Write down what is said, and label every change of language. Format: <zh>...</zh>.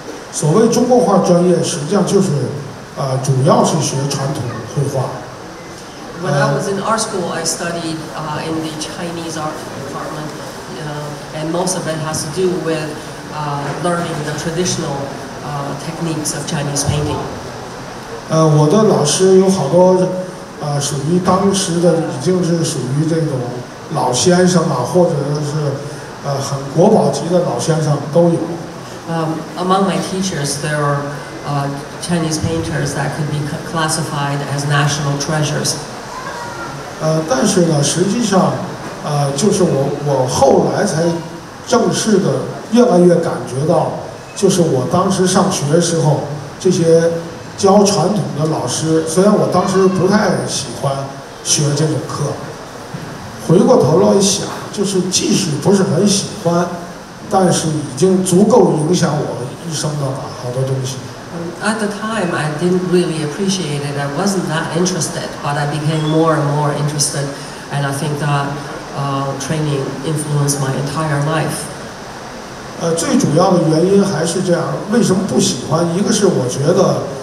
<zh>所谓中国画专业，实际上就是，主要是学传统绘画。</zh> <en>When I was in art school, I studied in the Chinese art department, and most of it has to do with learning the traditional techniques of Chinese painting.</en> <zh>我的老师有好多。属于当时的已经是属于这种老先生啊，或者是很国宝级的老先生都有。</zh> <en>Among my teachers, there are Chinese painters that could be classified as national treasures.</en> <zh>但是呢，实际上，就是我后来才正式的越来越感觉到，就是我当时上学的时候这些。教传统的老师，虽然我当时不太喜欢学这种课，回过头来一想，就是即使不是很喜欢，但是已经足够影响我一生的好多东西。</zh> <en>At the time, I didn't really appreciate it. I wasn't that interested, but I became more and more interested, and I think that training influenced my entire life.</en> <zh>最主要的原因还是这样，为什么不喜欢？一个是我觉得。</zh>